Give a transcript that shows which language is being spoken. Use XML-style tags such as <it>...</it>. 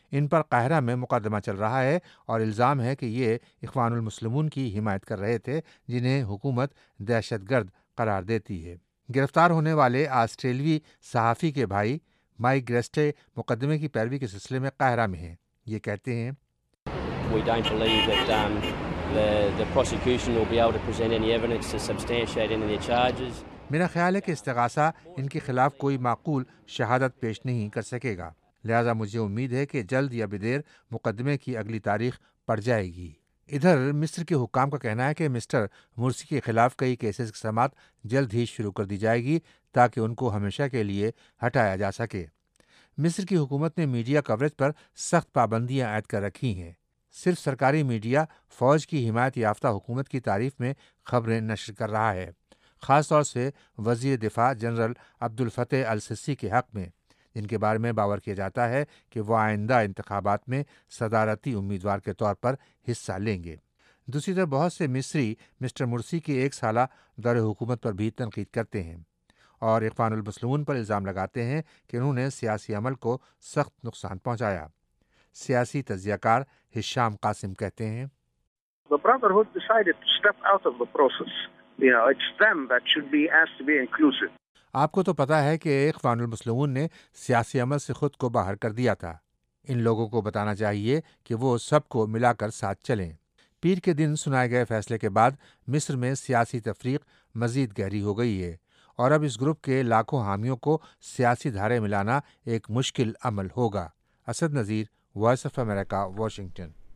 <ur>ان پر قاہرہ میں مقدمہ چل رہا ہے اور الزام ہے کہ یہ اخوان المسلمون کی حمایت کر رہے تھے جنہیں حکومت دہشت گرد قرار دیتی ہے۔ گرفتار ہونے والے آسٹریلوی صحافی کے بھائی مائک گریسٹے مقدمے کی پیروی کے سلسلے میں قاہرہ میں ہیں، یہ کہتے ہیں:</ur> <en>We don't believe that the prosecution will be able to present any evidence to substantiate any of their charges.</en> <ur>میرا خیال ہے کہ استغاثہ ان کے خلاف کوئی معقول شہادت پیش نہیں کر سکے گا، لہذا مجھے امید ہے کہ جلد یا بدیر مقدمے کی اگلی تاریخ پڑ جائے گی۔ ادھر مصر کے حکام کا کہنا ہے کہ مسٹر مرسی کے خلاف کئی کیسز کی سماعت جلد ہی شروع کر دی جائے گی تاکہ ان کو ہمیشہ کے لیے ہٹایا جا سکے۔ مصر کی حکومت نے میڈیا کوریج پر سخت پابندیاں عائد کر رکھی ہیں، صرف سرکاری میڈیا فوج کی حمایت یافتہ حکومت کی تعریف میں خبریں نشر کر رہا ہے، خاص طور سے وزیر دفاع جنرل عبد الفتح السسی کے حق میں، جن کے بارے میں باور کیا جاتا ہے کہ وہ آئندہ انتخابات میں صدارتی امیدوار کے طور پر حصہ لیں گے۔ دوسری طرف بہت سے مصری مسٹر مرسی کے ایک سالہ دور حکومت پر بھی تنقید کرتے ہیں اور اخوان المسلمون پر الزام لگاتے ہیں کہ انہوں نے سیاسی عمل کو سخت نقصان پہنچایا۔ سیاسی تجزیہ کار ہشام قاسم کہتے ہیں:</ur> <en>The Brotherhood decided to step out of the process. You know, it's them that should be asked to be inclusive.</en> <ur>آپ کو تو پتا ہے کہ اخوان المسلمون نے سیاسی عمل سے خود کو باہر کر دیا تھا، ان لوگوں کو بتانا چاہیے کہ وہ سب کو ملا کر ساتھ چلیں۔ پیر کے دن سنائے گئے فیصلے کے بعد مصر میں سیاسی تفریق مزید گہری ہو گئی ہے اور اب اس گروپ کے لاکھوں حامیوں کو سیاسی دھارے ملانا ایک مشکل عمل ہوگا۔ Asad Nazir, voice of America, Washington.</ur>